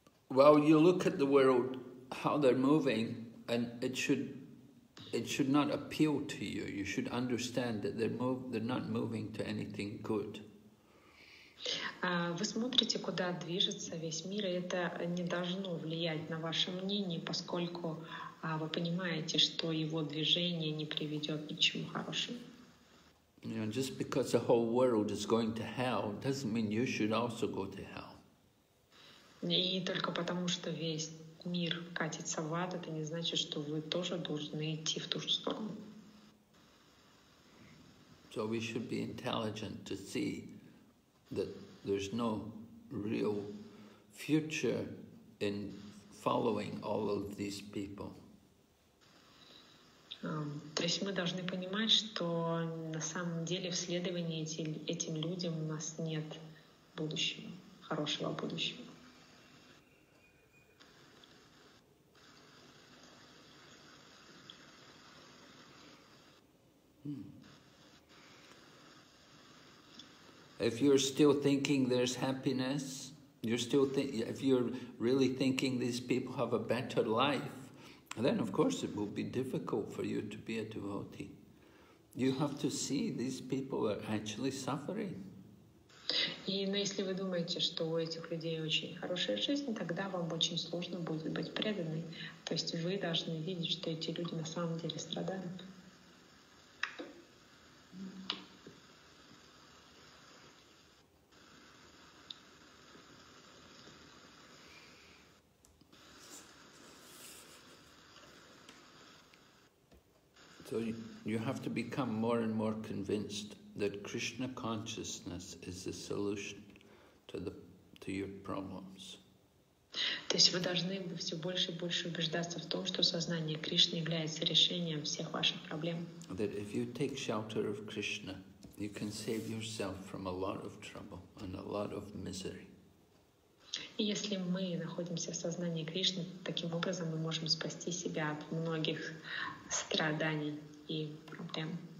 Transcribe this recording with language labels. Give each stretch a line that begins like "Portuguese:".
English: Well, you look at the world, how they're moving, and it should not appeal to you. You should understand that they're not moving to anything good.
Russian: Вы смотрите, куда движется весь мир, и это не должно влиять на ваше мнение, поскольку вы понимаете, что его движение не приведет ни к чему хорошему.
English: You know, just because the whole world is going to hell doesn't mean you should also go to hell.
Russian: И только потому, что весь мир катится в ад, это не значит, что вы тоже должны идти в ту же сторону.
English: So we should be intelligent to see that there's no real future in following all of these people.
Russian: То есть мы должны понимать, что на самом деле в следовании этим людям у нас нет будущего, хорошего будущего.
English: If you're still thinking there's happiness, if you're really thinking these people have a better life, then of course it will be difficult for you to be a devotee. You have to see these people are actually suffering.
Russian: И если вы думаете, что у этих людей очень хорошая жизнь, тогда вам очень сложно будет быть преданной. То есть вы должны видеть, что эти люди на самом деле страдают.
English: So you have to become more and more convinced that Krishna consciousness is the solution to your problems.
Russian: То есть вы должны все больше и больше убеждаться в том, что сознание Кришны является решением всех ваших проблем.
English: That if you take shelter of Krishna, you can save yourself from a lot of trouble and a lot of misery.
Russian: И если мы находимся в сознании Кришны, таким образом мы можем спасти себя от многих страданий и проблем.